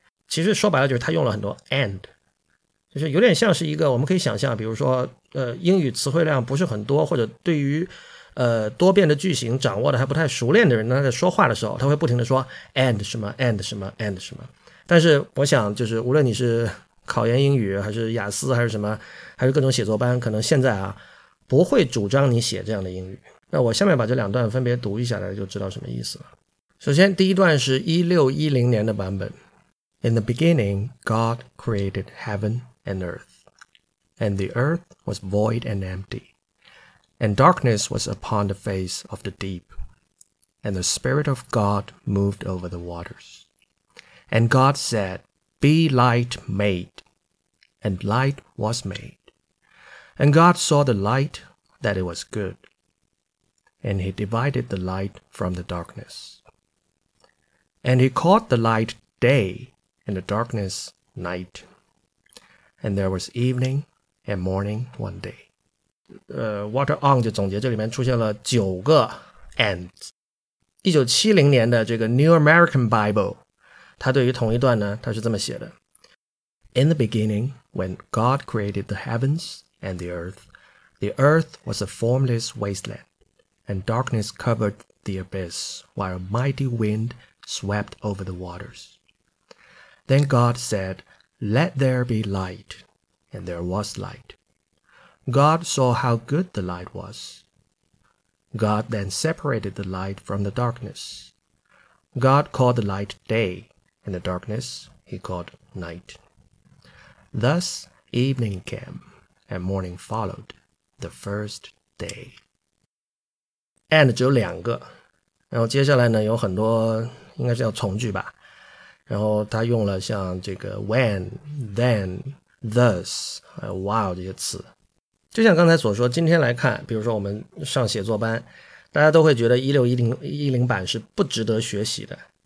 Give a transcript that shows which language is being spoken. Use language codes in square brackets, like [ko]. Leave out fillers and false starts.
[zh] 其实说白了就是他用了很多 and。就是有点像是一个，我们可以想象，比如说英语词汇量不是很多，或者对于多变的句型掌握的还不太熟练的人，他在说话的时候他会不停的说 and 什么 and 什么 and 什么。但是我想就是无论你是考研英语还是雅思还是什么，还是各种写作班，可能现在啊不会主张你写这样的英语。那我下面把这两段分别读一下，大家就知道什么意思了。首先第一段是1610年的版本。 [en] In the beginning, God created heaven and earth, and the earth was void and empty, and darkness was upon the face of the deep, and the Spirit of God moved over the waters. And God said, Be light made, and light was made. And God saw the light, that it was good, and he divided the light from the darkness. And he called the light day, and the darkness night. And there was evening and morning one day. [zh] Walter Ong 就总结，这里面出现了九个 and。 1970年的这个 New American Bible， 它对于同一段呢，它是这么写的。 [en] In the beginning, when God created the heavens and the earth was a formless wasteland, and darkness covered the abyss, while a mighty wind swept over the waters. Then God said, Let there be light, and there was light. God saw how good the light was. God then separated the light from the darkness. God called the light day, and the darkness he called night. Thus evening came, and morning followed, the first day. [zh] And 只有两个，然后接下来呢，有很多应该是叫从句吧，然后他用了像这个 when, then, thus, while 这些词。就像刚才所说，今天来看，比如说我们上写作班，大家都会觉得1610版是不值得学习的。